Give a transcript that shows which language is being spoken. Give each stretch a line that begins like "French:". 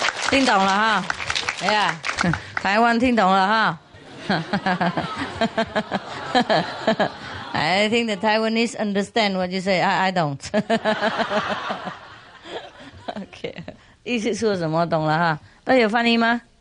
Chinese: 你们听懂了哈？听懂了哈？ Yeah, 台湾听懂了哈？
English: 哈哈哈哈哈哈 I think the Taiwanese understand what you say. I don't. Okay.
Chinese: 意思说什么懂了哈？都有翻译吗？